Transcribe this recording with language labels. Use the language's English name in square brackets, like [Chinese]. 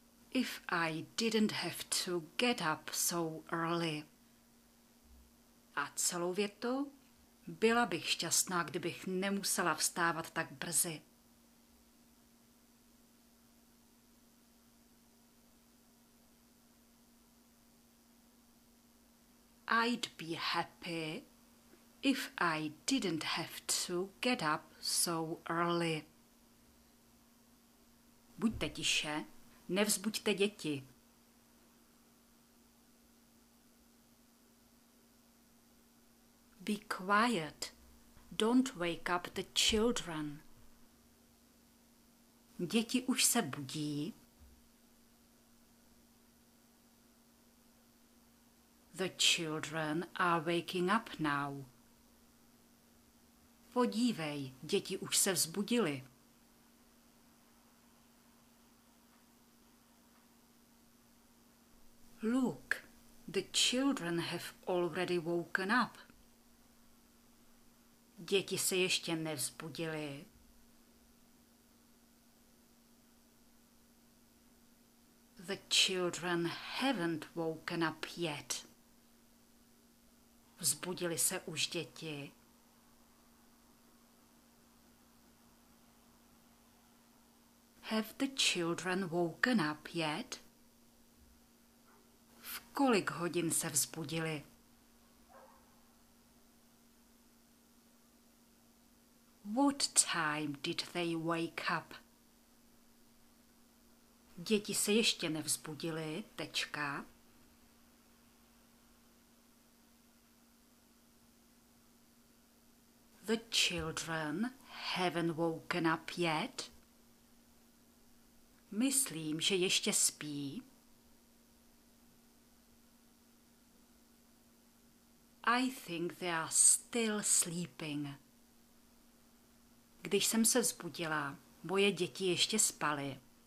[English] If I didn't have to get up so early. [Czech] A celou větu? Byla bych šťastná, kdybych nemusela vstávat tak brzy. [English] I'd be happy if I didn't have to get up so early. [Czech] Buďte tiše, nevzbuďte děti. [English] Be quiet. Don't wake up the children. [Czech] Děti už se budí. [English] The children are waking up now. [Czech] Podívej, děti už se vzbudily. [English] Look, the children have already woken up. [Czech] Děti se ještě nevzbudily. [English] The children haven't woken up yet. [Czech] Vzbudily se už děti. [English] Have the children woken up yet? [Czech] V kolik hodin se vzbudily? [English] What time did they wake up? [Czech] Děti se ještě nevzbudily, tečka. [English] The children haven't woken up yet. [Czech] Myslím, že ještě spí. [English] I think they are still sleeping. [Czech] Když jsem se vzbudila, moje děti ještě spaly.